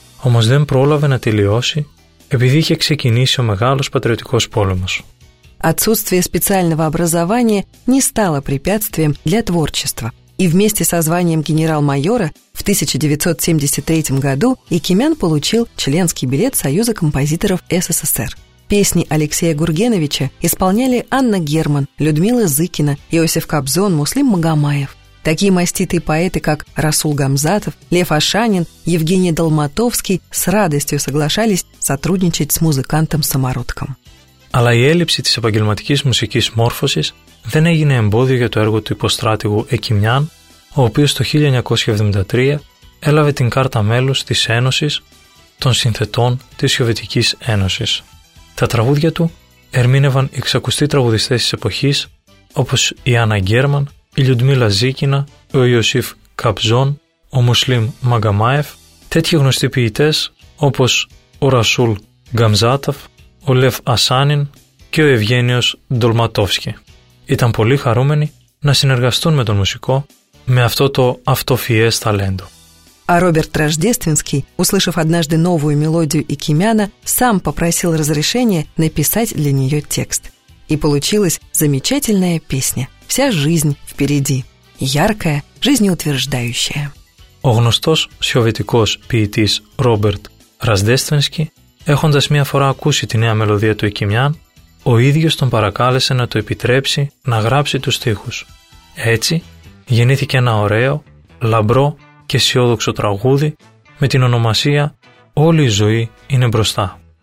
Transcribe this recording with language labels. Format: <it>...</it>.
<el>Όμως δεν πρόλαβε να τελειώσει επειδή είχε ξεκινήσει ο μεγάλος πατριωτικός πόλεμος.</el> <ru>Отсутствие специального образования не стало препятствием для творчества. И вместе со званием генерал-майора в 1973 году Икимян получил членский билет Союза композиторов СССР. Песни Алексея Гургеновича исполняли Анна Герман, Людмила Зыкина, Иосиф Кобзон, Муслим Магомаев. Такие маститые поэты, как Расул Гамзатов, Лев Ашанин, Евгений Долматовский с радостью соглашались сотрудничать с музыкантом-самородком.</ru> <el>Αλλά η έλλειψη της επαγγελματικής μουσικής μόρφωσης δεν έγινε εμπόδιο για το έργο του υποστράτηγου Εκιμιάν, ο οποίος το 1973 έλαβε την κάρτα μέλους της Ένωσης των Συνθετών της Σοβιετικής Ένωσης. Τα τραγούδια του ερμήνευαν εξακουστοί τραγουδιστές της εποχής, όπως η Άννα Γκέρμαν, η Λιουντμίλα Ζίκινα, ο Ιωσήφ Καπζόν, ο Μουσλίμ Μαγκαμάεφ, τέτοιοι γνωστοί ποιητές όπως ο Ρασούλ Γκαμζάταφ, ο Λεύ Ασάνιν και ο Ευγένιος Ντολματόφσκι. Ήταν πολύ χαρούμενοι να συνεργαστούν με τον μουσικό με αυτό το αυτοφιές ταλέντο.</el> <ru>А Роберт Рождественский, услышав однажды новую мелодию Икимяна, сам попросил разрешения написать для нее текст. И получилась замечательная песня «Вся жизнь впереди», яркая, жизнеутверждающая.</ru> <el>Ο γνωστός σιωβητικός ποιητής Роберт Рождественский, έχοντας μία φορά ακούσει τη νέα μελωδία του Ικημιάν, ο ίδιος τον παρακάλεσε να το επιτρέψει να γράψει τους στίχους. Έτσι, γεννήθηκε ένα ωραίο, λαμπρό και αισιόδοξο τραγούδι με την ονομασία «Όλη η ζωή είναι μπροστά».</el>